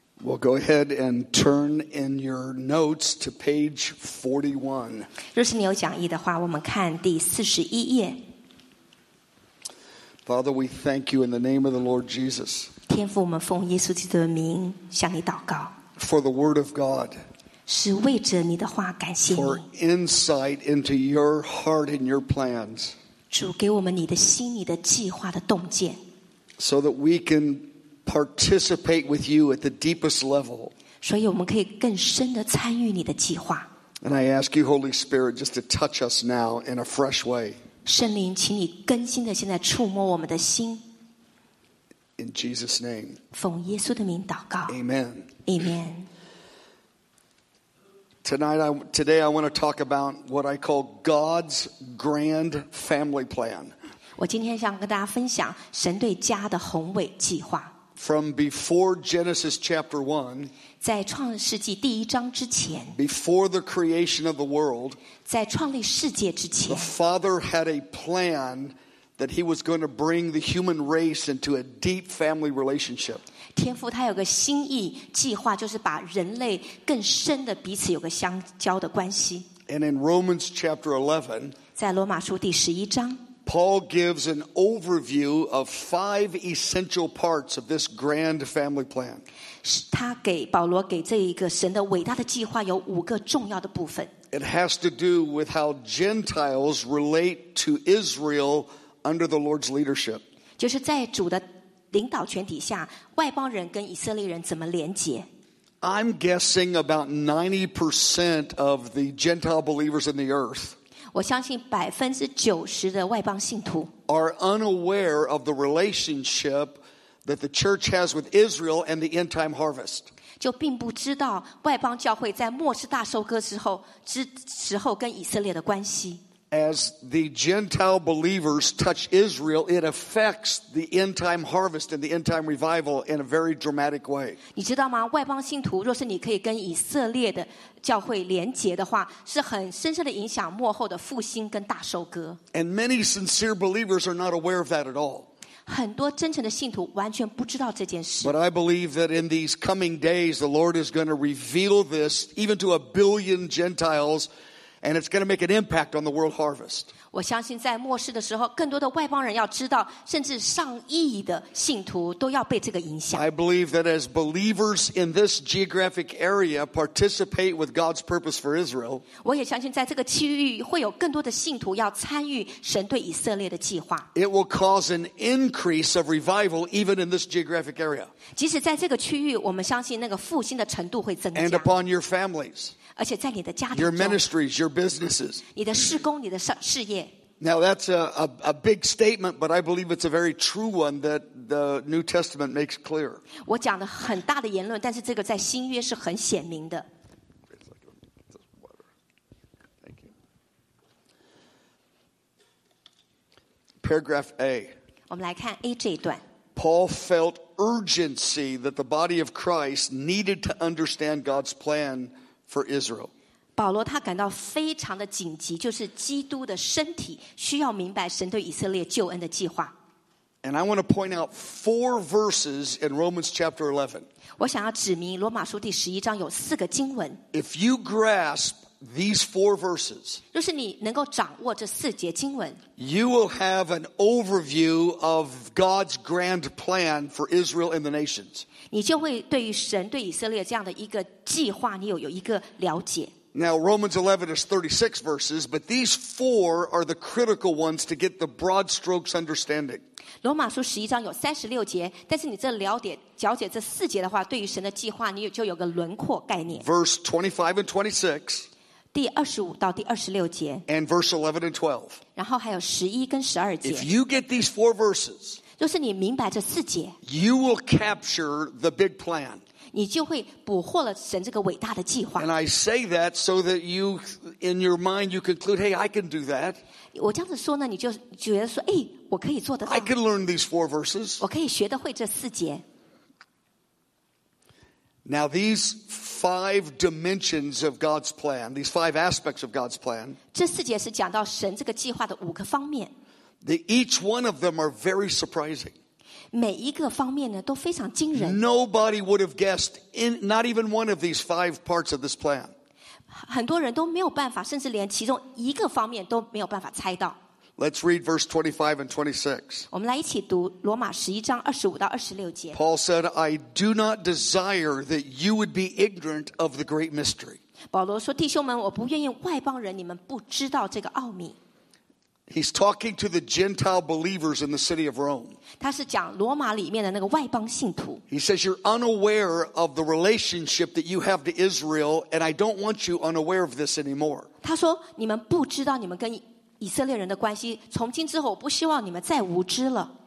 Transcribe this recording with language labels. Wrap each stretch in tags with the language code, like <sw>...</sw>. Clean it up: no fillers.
<en>Well, go ahead and turn in your notes to page 41.</en> <zh>若是你有讲义的话，我们看第四十一页。</zh> <en>Father, we thank you in the name of the Lord Jesus.</en> <zh>天父，我们奉耶稣基督的名向你祷告。</zh> <en>For the word of God.</en> <zh>是为着你的话感谢你。</zh> <en>For insight into your heart and your plans.</en> <zh>主给我们你的心、你的计划的洞见。</zh> <en>So that we can. Participate with you at the deepest level.</en> <zh>所以我们可以更深地参与你的计划。</zh> <en>And I ask you, Holy Spirit, just to touch us now in a fresh way.</en> <zh>圣灵，请你更新地现在触摸我们的心。</zh> <en>In Jesus' name.</en> <zh>奉耶稣的名祷告。</zh> <en>Amen. Amen. Today I want to talk about what I call God's grand family plan.</en> <zh>我今天想跟大家分享神对家的宏伟计划。</zh> <en>From before Genesis chapter 1,</en> <zh>在创世纪第一章之前,</zh> <en>before the creation of the world,</en> <zh>在创立世界之前,</zh> <en>the Father had a plan that he was going to bring the human race into a deep family relationship.</en> <zh>天父他有个心意计划就是把人类更深的彼此有个相交的关系。</zh> <en>And in Romans chapter 11,</en> <zh>在罗马书第十一章</zh> <en>Paul gives an overview of five essential parts of this grand family plan.</en> <zh>他给保罗给这一个神的伟大的计划有五个重要的部分。</zh> <en>It has to do with how Gentiles relate to Israel under the Lord's leadership.</en> <zh>就是在主的领导权底下，外邦人跟以色列人怎么连结。</zh> <en>I'm guessing about 90% of the Gentile believers in the earth.</en> <zh>我相信 90% 的外邦信徒</zh> <en>are unaware of the relationship that the church has with Israel and the end time harvest.</en> <zh>就并不知道外邦教会在末世大收割之后跟以色列的关系。</zh> <en>As the Gentile believers touch Israel, it affects the end time harvest and the end time revival in a very dramatic way.</en> <zh>你知道吗？外邦信徒，若是你可以跟以色列的教会连结的话，是很深深的影响末后的复兴跟大收割。</zh> <en>And many sincere believers are not aware of that at all.</en> <zh>很多真诚的信徒完全不知道这件事。</zh> <en>But I believe that in these coming days, the Lord is going to reveal this even to 1 billion Gentiles. And it's going to make an impact on the world harvest.</en> <zh>我相信在末世的时候，更多的外邦人要知道，甚至上亿的信徒都要被这个影响。</zh> <en>I believe that as believers in this geographic area participate with God's purpose for Israel.</en> <zh>我也相信在这个区域会有更多的信徒要参与神对以色列的计划。</zh> <en>It will cause an increase of revival even in this geographic area.</en> <zh>即使在这个区域，我们相信那个复兴的程度会增加。</zh> <en>And upon your families.</en> <zh>而且在你的家庭</zh> <en>your ministries, your businesses.</en> <zh>你的事工你的事业</zh> <en>Now that's a big statement, but I believe it's a very true one that the New Testament makes clear.</en> <zh>我讲的很大的言论但是这个在新约是很显明的</zh> <en>Thank you. Paragraph A.</en> <zh>我们来看 A 这一段</zh> <en>Paul felt urgency that the body of Christ needed to understand God's plan. For Israel.</en> <zh>保罗他感到非常的紧急就是基督的身体需要明白神对以色列救恩的计划。</zh> <en>And I want to point out 4 verses in Romans chapter 11.</en> <zh>我想要指明罗马书第十一章有四个经文。</zh> <en>If you grasp these 4 verses,</en> <zh>若是你能够掌握这四节经文</zh> <en>you will have an overview of God's grand plan for Israel and the nations.</en> <zh>你就会对于神对以色列这样的一个计划你有一个了解</zh> <en>Now Romans 11 is 36 verses but these 4 are the critical ones to get the broad strokes understanding</en> <zh>罗马书11章有36节但是你这了解这四节的话对于神的计划你就有个轮廓概念</zh> <en>Verse 25 and 26</en> <zh>第25到第26节</zh> <en>And verse 11 and 12</en> <zh>然后还有11跟12节</zh> <en>If you get these 4 verses</en> <zh>就是你明白这四节</zh> <en>You will capture the big plan.</en> <zh>你就会捕获了神这个伟大的计划。</zh> <en>And I say that so that you, in your mind, you conclude, hey, I can do that.</en> <zh>我这样子说呢，你就觉得说，哎，我可以做得到。</zh> <en>I can learn these 4 verses.</en> <zh>我可以学得会这四节。</zh> <en>Now these 5 dimensions of God's plan, these 5 aspects of God's plan.</en> <zh>这四节是讲到神这个计划的5个方面。</zh> <en>Each one of them are very surprising.</en> <zh>每一个方面呢都非常惊人。</zh> <en>Nobody would have guessed in not even one of these five parts of this plan.</en> <zh>很多人都没有办法，甚至连其中一个方面都没有办法猜到。</zh> <en>Let's read verse 25 and 26.</en> <zh>我们来一起读罗马十一章二十五到二十六节。</zh> <en>Paul said, "I do not desire that you would be ignorant of the great mystery."</en> <zh>保罗说，弟兄们，我不愿意外邦人你们不知道这个奥秘。</zh> <en>He's talking to the Gentile believers in the city of Rome.</en> <zh>他是讲罗马里面的那个外邦信徒。</zh> <en>He says, "You're unaware of the relationship that you have to Israel, and I don't want you unaware of this anymore."</en> <zh>他说，你们不知道你们跟以色列人的关系，从今之后我不希望你们再无知了。</zh>